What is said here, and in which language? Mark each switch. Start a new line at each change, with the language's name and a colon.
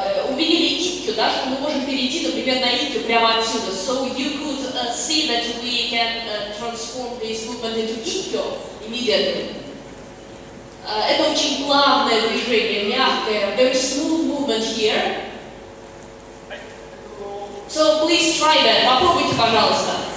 Russian: Увидели икью, да? Что мы можем перейти, например, на икью прямо отсюда.
English: So you could see that we can transform this movement into икью immediately.
Russian: Это очень плавное движение, мягкое.
English: Very smooth movement here. So please try that.
Russian: Попробуйте, пожалуйста.